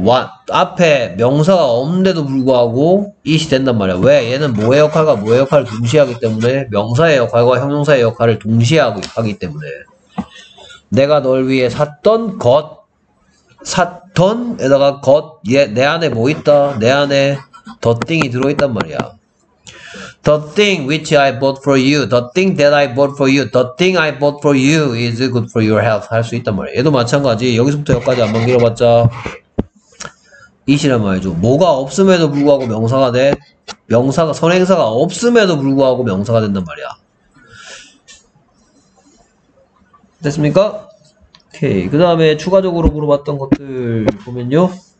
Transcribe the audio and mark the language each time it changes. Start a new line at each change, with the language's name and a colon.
Korean: what 앞에 명사가 없는데도 불구하고 it이 된단 말이야. 왜? 얘는 뭐의 역할과 뭐의 역할을 동시에 하기 때문에 명사의 역할과 형용사의 역할을 동시에 하기 때문에 내가 널 위해 샀던 것 샀던에다가 것얘내 안에 뭐 있다? 내 안에 the thing이 들어있단 말이야.
English: The thing which I bought for you, the thing that I bought for you, the thing I bought for you is good for your health.
Korean: 할수 있단 말이야. 얘도 마찬가지. 여기서부터 여기까지 안 만들어봤자 이시란 말이죠. 뭐가 없음에도 불구하고 명사가 돼. 명사가 선행사가 없음에도 불구하고 명사가 된단 말이야. 됐습니까? 오케이. 그 다음에 추가적으로 물어봤던 것들 보면요.